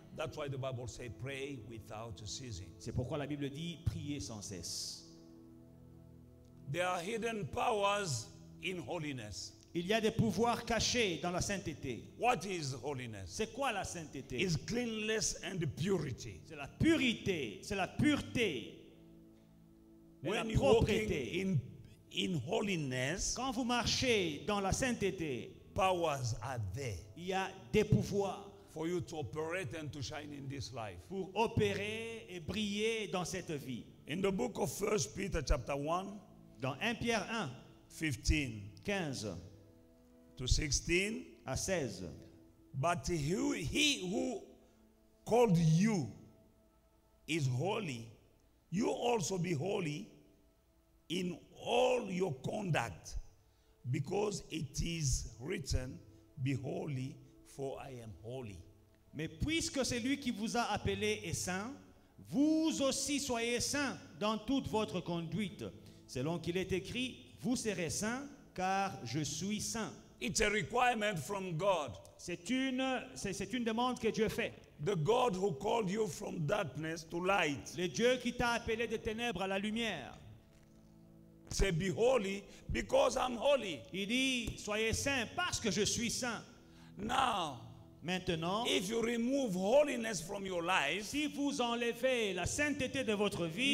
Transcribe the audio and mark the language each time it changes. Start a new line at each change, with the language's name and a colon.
English: That's why the Bible says pray without ceasing.
French: C'est pourquoi la Bible dit prier sans cesse.
English: There are hidden powers in holiness.
French: Il y a des pouvoirs cachés dans la sainteté.
English: What is holiness?
French: C'est quoi la sainteté?
English: It's cleanliness and purity.
French: C'est la purité, c'est la pureté.
English: When
French: la propreté.
English: In holiness,
French: quand vous marchez dans la sainteté,
English: powers are there.
French: Il y a des pouvoirs
English: for you to operate and to shine in this life.
French: Pour opérer et briller dans cette vie.
English: In the book of 1 Peter chapter 1,
French: dans 1 Pierre 1,
English: 15,
French: 15
English: to 16,
French: à 16.
English: But he who called you is holy, you also be holy in all your conduct, because it is written, be holy, for I am holy.
French: Mais puisque c'est lui qui vous a appelé est saint, vous aussi soyez saints dans toute votre conduite. Selon qu'il est écrit, vous serez saints, car je suis saint.
English: It's a requirement from God.
French: C'est une demande que Dieu fait.
English: The God who called you from darkness to light.
French: Le Dieu qui t'a appelé des ténèbres à la lumière.
English: Say, be holy because I'm holy.
French: Il dit, soyez saints parce que je suis saint.
English: Now,
French: maintenant,
English: if you remove holiness from your life,
French: si vous enlevez la sainteté de votre vie,